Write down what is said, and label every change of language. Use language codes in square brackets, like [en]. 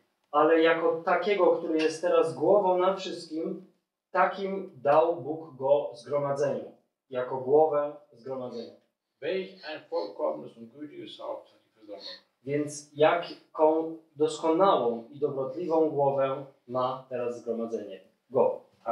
[pl] Ale jako takiego, który jest teraz głową nad wszystkim, takim dał Bóg go zgromadzeniu. Jako głowę zgromadzenia. [de] Welch ein vollkommenes und gütiges Haupt. [pl] Więc jaką doskonałą i dobrotliwą głowę ma teraz zgromadzenie? Go.